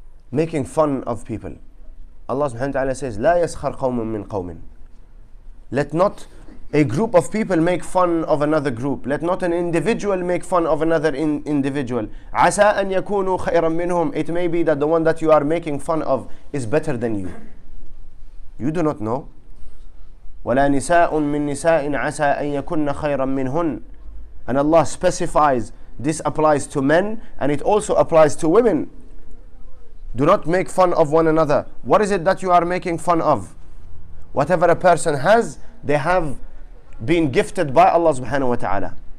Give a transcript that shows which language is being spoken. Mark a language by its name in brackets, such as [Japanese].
[English] Making fun of people. Allah subhanahu wa ta'ala says, [Arabic] لا يسخر قوم من قوم. [English] Let not a group of people make fun of another group. Let not an individual make fun of another individual. [Arabic] عسى أن يكونوا خيرا منهم. [English] It may be that the one that you are making fun of is better than you. You do not know. [Arabic] ولا نساء من نساء عسى أن يكون خيرا منهن. [English] And Allah specifies, this applies to men and it also applies to women. Do not make fun of one another. What is it that you are making fun of? Whatever a person has, they have been gifted by Allah subhanahu wa ta'ala.